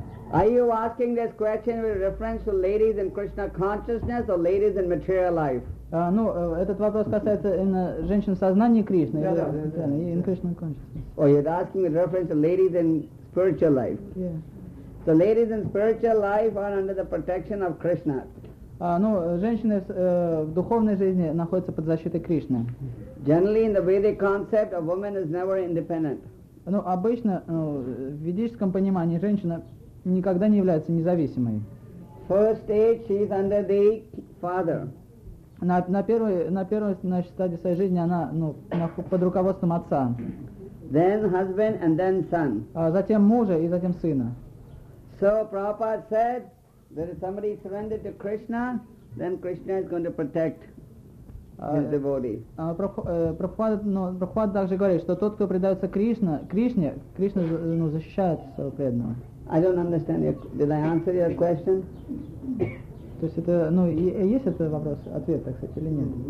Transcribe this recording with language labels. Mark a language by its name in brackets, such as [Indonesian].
[English] Are you asking this question with reference to ladies in Krishna consciousness or ladies in material life? [Russian] Этот вопрос касается женщин в сознании Кришны, [English] in Krishna consciousness. Oh, you're asking with reference to ladies in spiritual life. Yeah. So ladies in spiritual life are under the protection of Krishna. [Russian] Женщины в духовной жизни находятся под защитой Кришны. [English] Generally, in the Vedic concept, a woman is never independent. [Russian] В ведическом понимании женщина никогда не является независимой. [English] First stage, she is under the father. [Russian] На первой стадии своей жизни она под руководством отца. [English] Then husband and then son. [Russian] Затем мужа и затем сына. [English] So Prabhupada said that if somebody surrendered to Krishna, then Krishna is going to protect his devotee. [Russian] Прабхупада также говорит, что тот, кто предается Кришне защищает своего преданного. [English] I don't understand. Did I answer your question? [Russian] То есть это, есть это вопрос, ответ, так сказать, или нет?